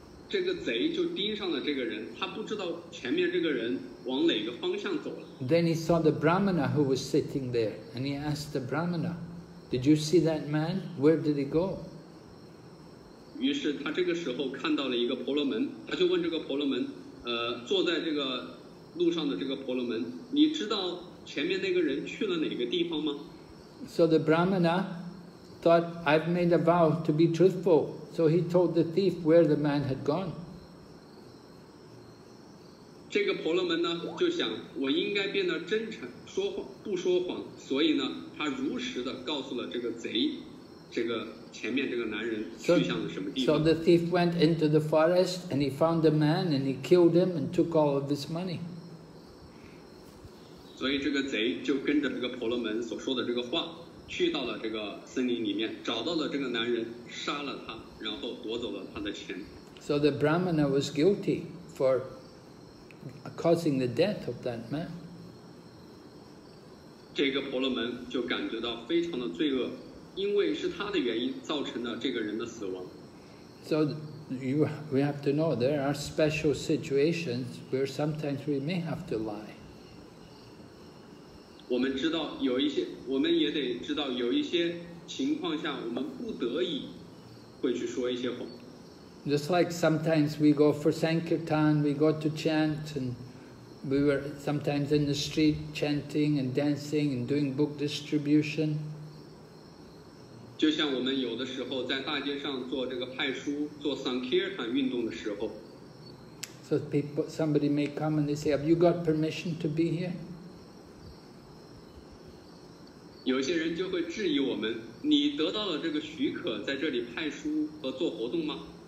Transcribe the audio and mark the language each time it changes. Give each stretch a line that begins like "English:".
Chinese: 这个贼就盯上了这个人，他不知道前面这个人往哪个方向走了。
English: Then he saw the Brahmana who was sitting there, and he asked the Brahmana, "Did you see that man? Where did he go?"
Chinese: 于是他这个时候看到了一个婆罗门，他就问这个婆罗门，坐在这个路上的这个婆罗门，你知道前面那个人去了哪个地方吗？
English: So the Brahmana thought, "I've made a vow to be truthful." So he told the thief where the man had gone.
Chinese: 这个婆罗门呢，就想我应该变得真诚，说谎不说谎，所以呢，他如实的告诉了这个贼，这个前面这个男人去向了什么地方。
English: So the thief went into the forest and he found the man and he killed him and took all of his money.
Chinese: 所以这个贼就跟着这个婆罗门所说的这个话，去到了这个森林里面，找到了这个男人，杀了他，然后夺走了他的钱。
English: So the Brahmana was guilty for causing the death of that man.
Chinese: 这个婆罗门就感觉到非常的罪恶，因为是他的原因造成了这个人的死亡。
English: So we have to know there are special situations where sometimes we may have to lie.
Chinese: 我们知道有一些，我们也得知道有一些情况下，我们不得已会去说一些谎。
English: Just like sometimes we go for sankirtan, we go to chant, and we were sometimes in the street chanting and dancing and doing book distribution.
Chinese: 就像我们有的时候在大街上做这个派书、做 sankirtan 运动的时候。
English: So people, somebody may come and they say, "Have you got permission to be here?"
Chinese: 有些人就会质疑我们，你得到了这个许可在这里派书和做活动吗？